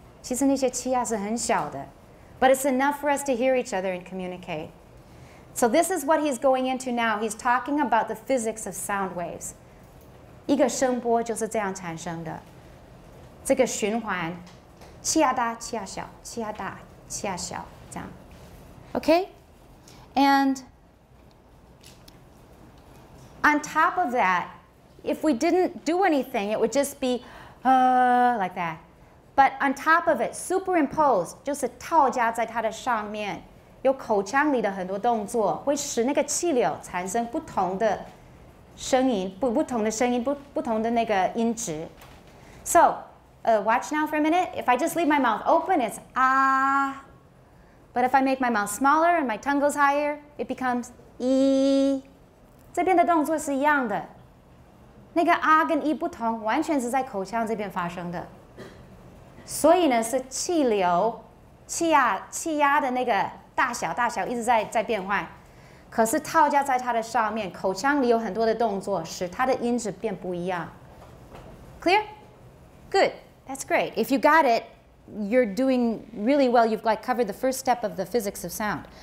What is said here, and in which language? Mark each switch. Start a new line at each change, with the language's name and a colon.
Chinese: 其实那些气压是很小的。
English: But it's enough for us to hear each other and communicate. So this is what he's going into now. He's talking about the physics of sound waves.
Chinese: 一个声波就是这样产生的。这个循环，气压大，气压小，气压大，气压小，这样。
English: Okay? And on top of that, if we didn't do anything, it would just be like that. But on top of it, superimposed,
Chinese: 就是套加在它的上面，有口腔里的很多动作，会使那个气流产生不同的声音，不同的声音，不同的那个音质。
English: So, watch now for a minute. If I just leave my mouth open, it's ah. But if I make my mouth smaller and my tongue goes higher, it becomes e.
Chinese: 这边的动作是一样的。那个 R 跟 E 不同，完全是在口腔这边发生的。所以呢，是气流、气压的那个大小一直在变换。可是套加在它的上面，口腔里有很多的动作，使它的音质变不一样。
English: Clear? Good. That's great. If you got it, you're doing really well. You've like covered the first step of the physics of sound.